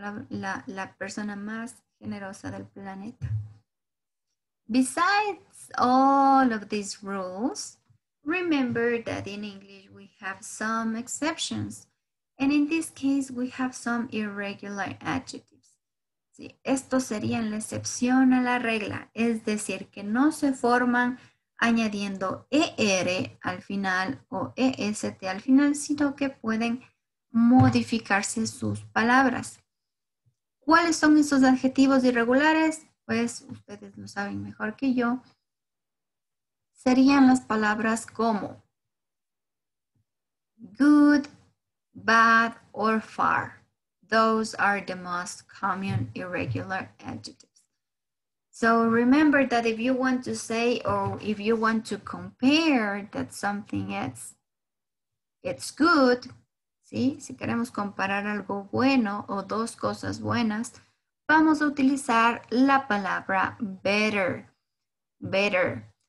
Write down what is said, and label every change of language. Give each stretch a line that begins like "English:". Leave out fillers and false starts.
Spanish: La persona más generosa del planeta.
English: Besides all of these rules, remember that in English we have some exceptions. And in this case we have some irregular adjectives.
Spanish: ¿Sí? Esto sería la excepción a la regla. Es decir, que no se forman añadiendo ER al final o EST al final, sino que pueden modificarse sus palabras. ¿Cuáles son esos adjetivos irregulares? Pues ustedes lo saben mejor que yo. Serían las palabras como good, bad, or far.
English: Those are the most common irregular adjectives. So remember that if you want to say or if you want to compare that something is, it's good, ¿sí?
Spanish: Si queremos comparar algo bueno o dos cosas buenas, vamos a utilizar la palabra better. Better.